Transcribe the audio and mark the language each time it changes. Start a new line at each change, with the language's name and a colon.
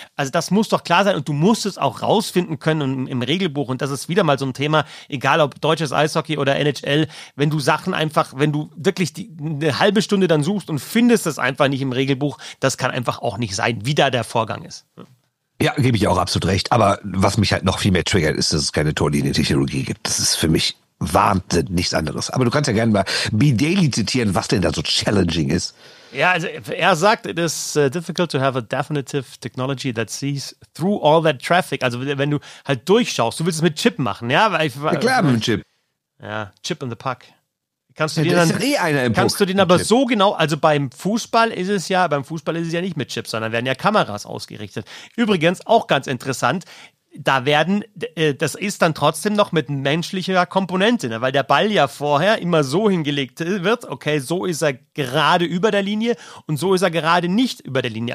German: Also das muss doch klar sein und du musst es auch rausfinden können im Regelbuch und das ist wieder mal so ein Thema, egal ob deutsches Eishockey oder NHL, wenn du Sachen einfach, wenn du wirklich eine halbe Stunde dann suchst und findest es einfach nicht im Regelbuch, das kann einfach auch nicht sein, wie da der Vorgang ist. Ja, gebe ich auch absolut recht. Aber was mich halt noch viel mehr triggert, ist, dass es keine Torlinientechnologie gibt. Das ist für mich Wahnsinn, nichts anderes. Aber du kannst ja gerne mal Bill Daly zitieren, was denn da so challenging ist. Ja, also er sagt,
English: it is difficult to have a definitive technology that sees through all that traffic.
German: Also wenn du halt durchschaust, du willst es mit Chip machen, ja? Klar, mit Chip.
English: Ja, Chip in the puck.
German: Kannst du den aber so genau, also beim Fußball ist es ja nicht mit Chips, sondern werden ja Kameras ausgerichtet. Übrigens auch ganz interessant, das ist dann trotzdem noch mit menschlicher Komponente, ne? Weil der Ball ja vorher immer so hingelegt wird, okay, so ist er gerade über der Linie und so ist er gerade nicht über der Linie.